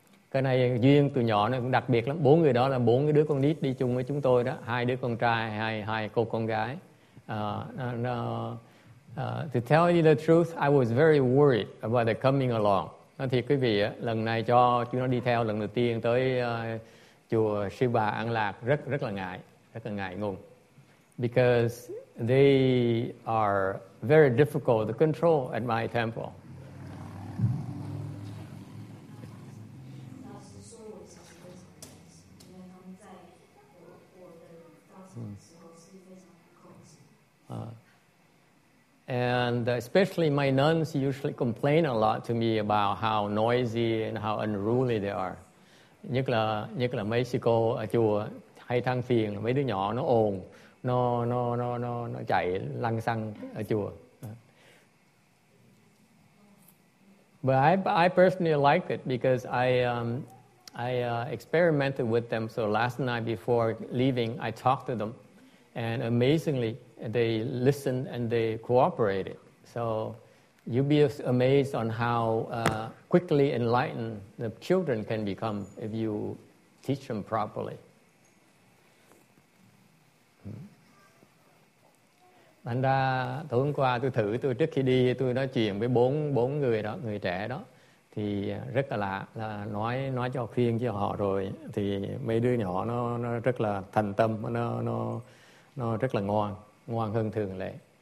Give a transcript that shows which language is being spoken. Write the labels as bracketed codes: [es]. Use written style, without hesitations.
[vi] Cái này duyên từ nhỏ này cũng đặc biệt lắm. 4 người đó là 4 cái đứa con nít đi chung với chúng tôi đó. 2 đứa con trai, 2 cô con gái. [en] To tell you the truth, I was very worried about the coming along. [vi] Nói thiệt quý vị, lần này cho chúng nó đi theo lần đầu tiên tới chùa Sư Bà An Lạc rất là ngại ngùng. [en] Because they are very difficult to control at my temple. And especially my nuns usually complain a lot to me about how noisy and how unruly they are. [vi] Nhất là mấy sư cô ở chùa hay than phiền, mấy đứa nhỏ nó ồn, nó chạy lăng xăng ở chùa. [en] But I personally like it because I experimented with them. So last night before leaving, I talked to them, and amazingly, they listened and they cooperated. So you'd be amazed on how quickly enlightened the children can become if you teach them properly. [vi] Thành ra, tối hôm qua tôi thử, trước khi đi, tôi nói chuyện với 4 người đó, người trẻ đó. thì rất là lạ, là nói cho khuyên cho họ rồi thì mấy đứa nhỏ nó rất là thành tâm, nó rất là ngoan hơn thường lệ.